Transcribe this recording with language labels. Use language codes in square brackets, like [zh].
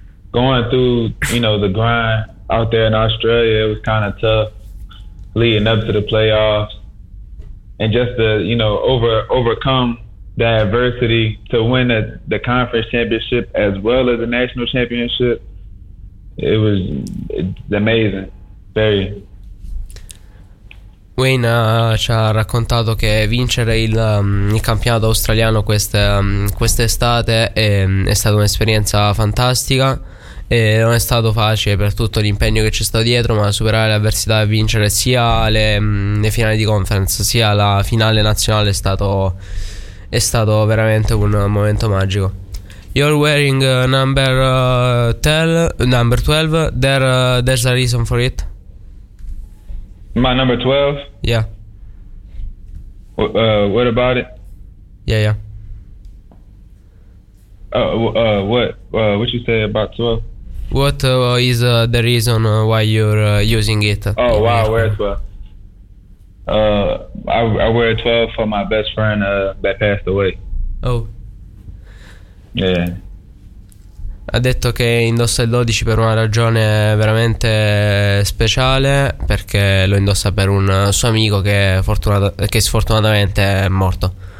[en] Going through, you know, the grind out there in Australia, it was kind of tough leading up to the playoffs. And just to, you know, overcome the adversity to win the conference championship as well as the national championship, it was amazing. Very. [it] Wayne ci ha raccontato che vincere il campionato australiano quest'estate è stata un'esperienza fantastica e non è stato facile per tutto l'impegno che ci sta dietro, ma superare l'avversità e vincere sia le finali di conference sia la finale nazionale è stato veramente un momento magico. [en] You're wearing number 12. There's a reason for it. My number 12? Yeah. What about it? Yeah, yeah. What you say about 12? What is the reason why you're using it? Oh, wow, I wear 12. I wear 12 for my best friend that passed away. Oh. Yeah. [it] Ha detto che indossa il 12 per una ragione veramente speciale, perché lo indossa per un suo amico che sfortunatamente è morto.